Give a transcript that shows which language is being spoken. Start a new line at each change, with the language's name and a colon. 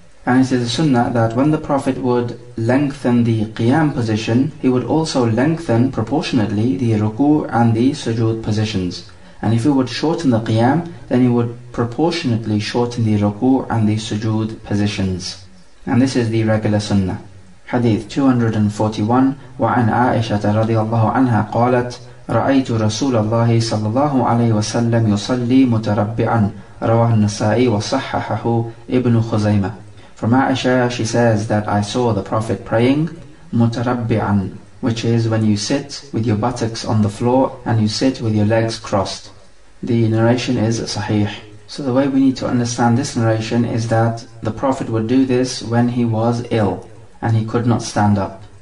English: And it is a sunnah that when the Prophet would lengthen the qiyam position, he would also lengthen proportionately the ruku' and the sujood positions. And if he would shorten the qiyam, then he would proportionately shorten the ruku' and the sujood positions. And this is the regular sunnah. Hadith 241.
Arabic: وعن عائشة رضي الله عنها قالت رأيت رسول الله صلى الله عليه وسلم يصلي متربعا رواه النسائي وصححه ابن خزيمة.
English: From Aisha, she says that I saw the Prophet praying متربعاً, which is when you sit with your buttocks on the floor and you sit with your legs crossed. The narration is sahih. So the way we need to understand this narration is that the Prophet would do this when he was ill and he could not stand up.